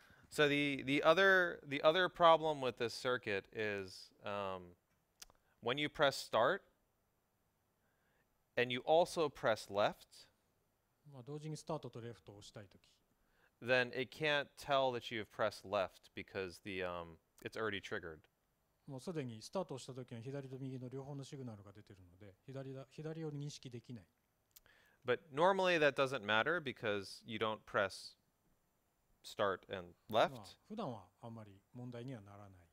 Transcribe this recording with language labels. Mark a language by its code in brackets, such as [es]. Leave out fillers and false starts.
[en] So the other problem with this circuit is when you press start and you also press left. [ja] まあ同時にスタートとレフトを押したいとき。 [en] Then it can't tell that you have pressed left because the it's already triggered. [ja] もうすでにスタートした時は左と右の両方のシグナルが出てるので左を認識できない。 [en] But normally that doesn't matter because you don't press start and left. [ja] 普段はあまり問題にはならない。